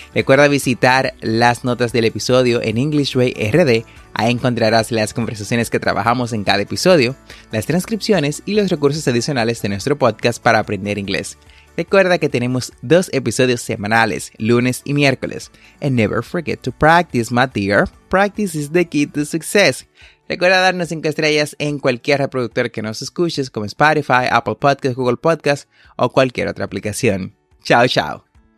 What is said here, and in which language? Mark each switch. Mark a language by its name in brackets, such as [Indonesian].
[Spanish] Recuerda visitar las notas del episodio en EnglishWay RD. Ahí encontrarás las conversaciones que trabajamos en cada episodio, las transcripciones y los recursos adicionales de nuestro podcast para aprender inglés. Recuerda que tenemos dos episodios semanales, lunes y miércoles. [English] And never forget to practice, my dear. Practice is the key to success. [Spanish] Recuerda darnos 5 estrellas en cualquier reproductor que nos escuches, como Spotify, Apple Podcasts, Google Podcasts o cualquier otra aplicación. Chao, chao.